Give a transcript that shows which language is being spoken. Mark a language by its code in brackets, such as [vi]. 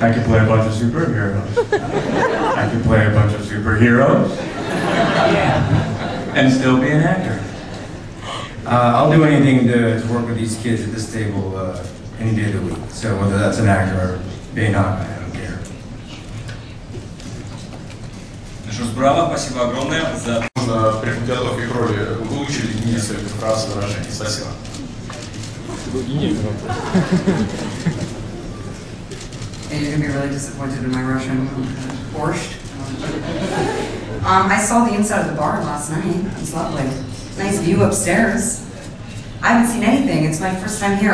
[en] I could play a bunch of superheroes. I could play a bunch of superheroes. And still be an actor. I'll do anything to work with these kids at this table any day of the week. So whether that's an actor or being not, I don't care. [ru] Браво, спасибо огромное за... Можно при подготовке к роли выучили несколько фраз и выражений. Спасибо. [en] And you're going to be really disappointed in my Russian borscht. I saw the inside of the bar last night. It's lovely. Nice view upstairs. I haven't seen anything. It's my first time here.